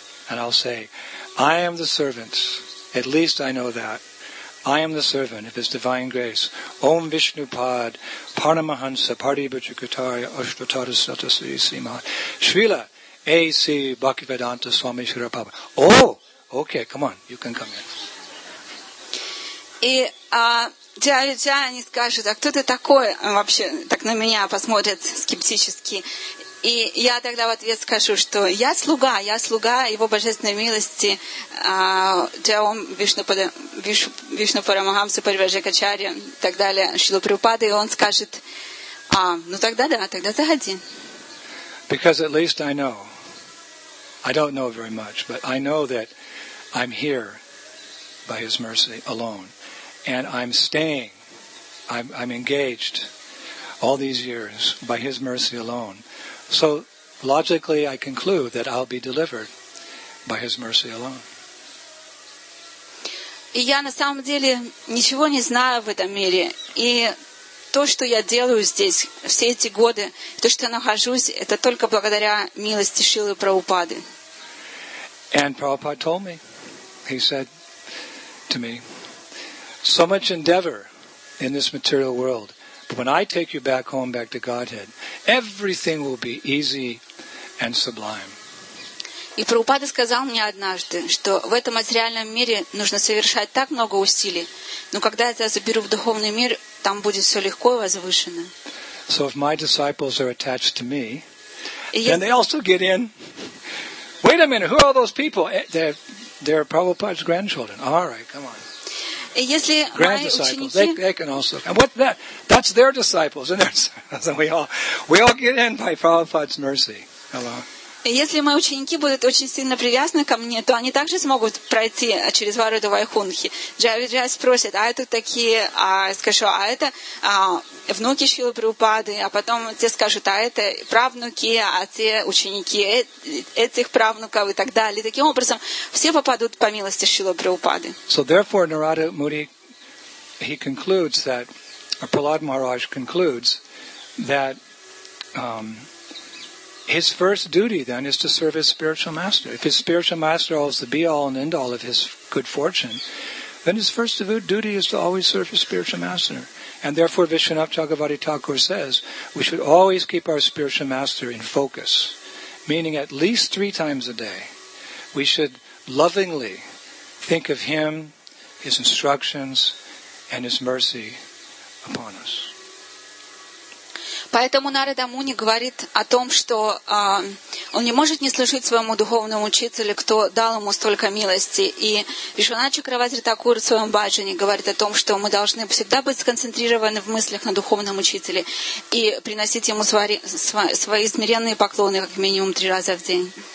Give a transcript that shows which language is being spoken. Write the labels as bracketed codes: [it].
[en] And I'll say, I am the servant. At least I know that. I am the servant of His Divine Grace. Om Vishnu Pad, Paramahansa, Paribhuta Kataraya, Ashtotara Sata Sri Sima, Srila, A.C. Bhaktivedanta Swami Shri Prabhupada. Oh, okay, come on, you can come in. [ru] Джай-Джай, они скажут, а кто ты такой? Вообще, так на меня посмотрят скептически. И я тогда в ответ скажу, что я слуга Его Божественной Милости, Джаом Вишну Парамахамса Парибхаджакачарья и так далее, Шрилу Прабхупаду, и он скажет, ну тогда да, тогда заходи. [en] Because at least I know, I don't know very much, but I know that I'm here by His mercy alone. And I'm staying, I'm engaged all these years by His mercy alone. So logically I conclude that I'll be delivered by His mercy alone. [ru] И я на самом деле ничего не знаю в этом мире. И то, что я делаю здесь все эти годы, то, что я нахожусь, это только благодаря милости Шрилы Прабхупады. [en] And Prabhupada told me, he said to me, so much endeavor in this material world, but when I take you back home, back to Godhead, everything will be easy and sublime. [ru] И Прабхупада сказал мне однажды, что в этом материальном мире нужно совершать так много усилий, но когда я заберу в духовный мир, там будет все легко и возвышенно. [en] So if my disciples are attached to me, then they also get in. Wait a minute, who are all those people? They're Prabhupada's grandchildren. All right, come on. [ru] Если [en] grand disciples, they can also. And what that? That's their disciples, and we all get in by Prabhupada's mercy. Hello. [ru] Если мои ученики будут очень сильно привязаны ко мне, то они также смогут пройти через ворота Вайкунхи. Джай-Джай спросит, а это такие, скажу, а это внуки Шрилы Прабхупады, а потом те скажут, а это правнуки, а те ученики этих правнуков и так далее. Таким образом, все попадут по милости Шрилы Прабхупады. [en] So therefore, Narada Muni, he concludes that, or Prahlad Maharaj concludes that his first duty then is to serve his spiritual master. If his spiritual master is the be-all and end-all of his good fortune, then his first duty is to always serve his spiritual master. And therefore, Vishwanath Chakravarti Thakur says, we should always keep our spiritual master in focus, meaning at least three times a day, we should lovingly think of him, his instructions, and his mercy upon us. [ru] Поэтому Нарада Муни говорит о том, что он не может не служить своему духовному учителю, кто дал ему столько милости. И Вишванатха Чакраварти Такур в своем баджане говорит о том, что мы должны всегда быть сконцентрированы в мыслях на духовном учителе и приносить ему свои смиренные поклоны как минимум три раза в день.